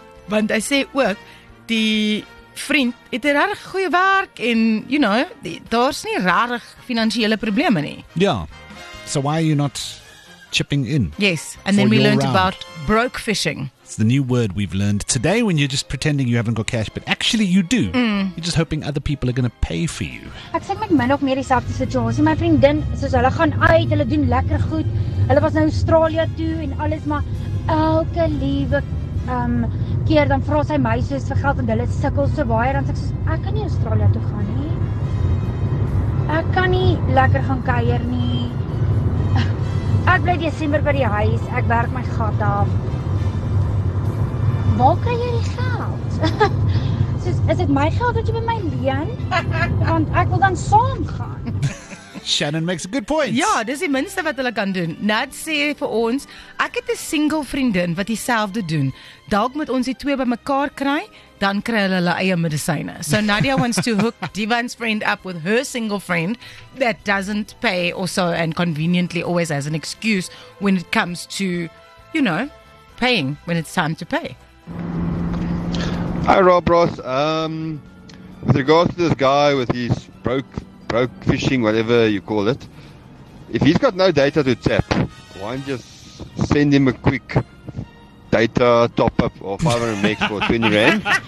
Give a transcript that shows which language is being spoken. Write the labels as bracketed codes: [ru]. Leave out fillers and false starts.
[af] Want hy sê ook, die vriend het 'n rarig goeie werk en, you know, daar's nie rarig finansiële probleme nie. [en] Ja, so why are you not chipping in? Yes, and then we learned about broke fishing. It's the new word we've learned today when you're just pretending you haven't got cash, but actually you do. Mm. You're just hoping other people are going to pay for you. [af] Ek sê met min of meer dieselfde situasie. My vriendin, soos hulle gaan uit, hulle doen lekker goed. Hulle was nou Australië toe en alles, maar elke liewe keer dan vra sy my soos vir geld en hulle sukkel so baie dan sê ek soos ek kan nie Australië toe gaan nie. Ek kan nie lekker gaan kuier nie. Ek bly Desember by die huis. Ek werk my gat af. Waar kry jy die geld? Soos, is dit my geld wat jy by my leen? Want ek wil dan saam gaan. [en] Shannon makes a good point. [af] Ja, dis die minste wat hulle kan doen. Nat sê vir ons, ek het 'n single vriendin wat dieselfde doen. Dalk moet ons die twee by mekaar kry, dan kry hulle hulle eie medisyne. [en] So Nadia wants to hook Divan's friend up with her single friend that doesn't pay also and conveniently always has an excuse when it comes to, you know, paying when it's time to pay. Hi Rob Ross, with regards to this guy with his broke fishing, whatever you call it, if he's got no data to tap, why don't just send him a quick data top up or 500 megs for 20 rand?